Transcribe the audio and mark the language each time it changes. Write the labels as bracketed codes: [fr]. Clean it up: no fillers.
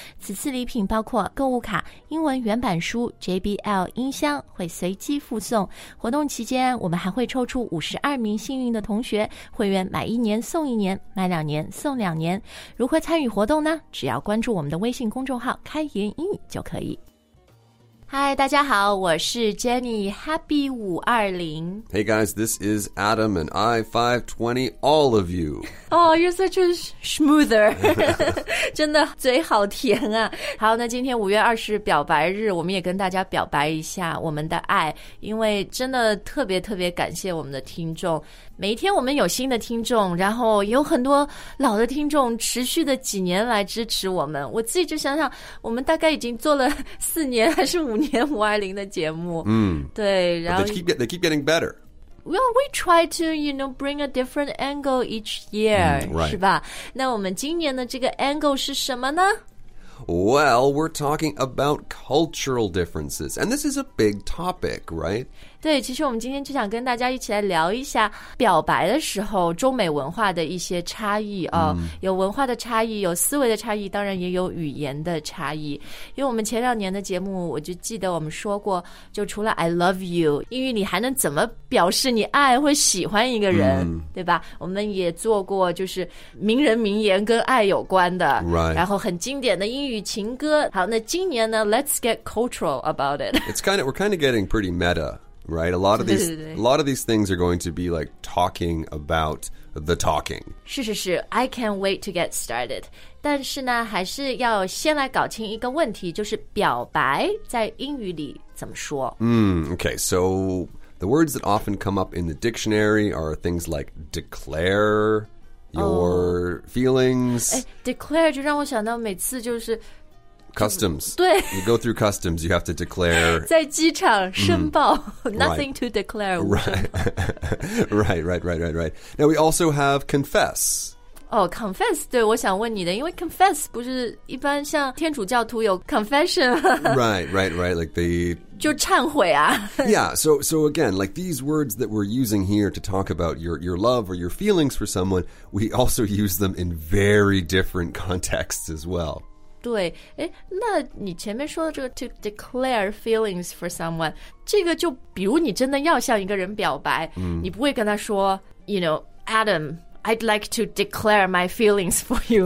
[zh] 此次礼品包括购物卡、英文原版书、JBL 音箱，会随机附送。活动期间，我们还会抽出52名幸运的同学，会员买一年送一年，买两年送两年。如何参与活动呢？只要关注我们的微信公众号"开源英语"就可以。 [en] Hi, [zh] 大家好，我是 Jenny, [en] Happy 520. Hey guys, this is Adam and I-520, all of you. Oh, you're such a schmoother. [zh] 真的嘴好甜啊。好，那今天5月20表白日，我们也跟大家表白一下我们的爱，因为真的特别特别感谢我们的听众。每一天我们有新的听众，然后有很多老的听众持续的几年来支持我们。我自己就想想，我们大概已经做了4年还是5年520的节目。嗯，对，然后 [en] they keep getting better. Well, we try to, you know, bring a different angle each year,、 right. [zh] 是吧？那我们今年的这个 angle 是什么呢？ [en] Well, we're talking about cultural differences, and this is a big topic, right? [zh] 对，其实我们今天就想跟大家一起来聊一下表白的时候中美文化的一些差异啊、哦，有文化的差异，有思维的差异，当然也有语言的差异。因为我们前两年的节目，我就记得我们说过，就除了 [en] I love you, [zh] 英语里还能怎么表示你爱或喜欢一个人、对吧？我们也做过就是名人名言跟爱有关的、 [en] right. [zh] 然后很经典的英语情歌。好，那今年呢 [en] Let's get cultural about it. We're kind of getting pretty meta. Right, a lot of these things are going to be like talking about the talking. [zh] 是是是 [en] I can't wait to get started. [zh] 但是呢，还是要先来搞清一个问题，就是表白在英语里怎么说？ [en] Okay, so the words that often come up in the dictionary are things like declare your feelings. [zh] Declare 就让我想到每次就是。 [en] Customs. [zh] 对 [en] You go through customs, you have to declare. [zh] 在机场申报、 [en] Nothing to declare. Right. Now we also have confess. Oh, confess. [zh] 对我想问你的因为 confess 不是一般像天主教徒有 confession. [en] Right. Like the... [zh] 就忏悔啊。 [en] Yeah, so again, like these words that we're using here to talk about your love or your feelings for someone, we also use them in very different contexts as well. [zh] 对，哎，那你前面说的这个 [en] to declare feelings for someone， [zh] 这个就比如你真的要向一个人表白，你不会跟他说 ， [en] you know， Adam， I'd like to declare my feelings for you。